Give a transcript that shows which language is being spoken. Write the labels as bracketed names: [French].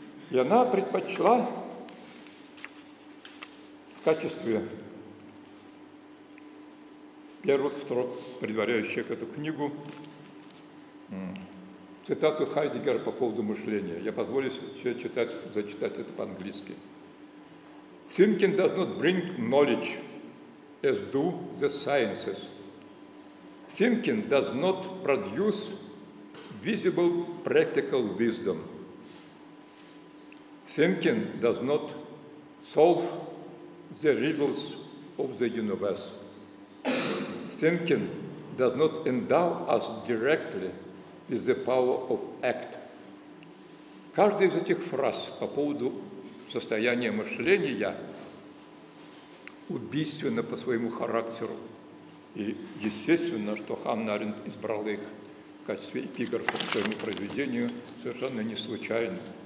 [Russian] И она предпочла в качестве первых строк, предваряющих эту книгу, цитату Хайдеггера по поводу мышления. Я позволю себе читать, зачитать это по-английски. [English] «Thinking does not bring knowledge, as do the sciences. Thinking does not produce visible practical wisdom. Thinking does not solve the riddles of the universe. Thinking does not endow us directly with the power of act». [Russian] Каждая из этих фраз по поводу состояния мышления убийственно по своему характеру. И естественно, что Ханн Аренд избрал их в качестве эпиграфа к своему произведению совершенно не случайно.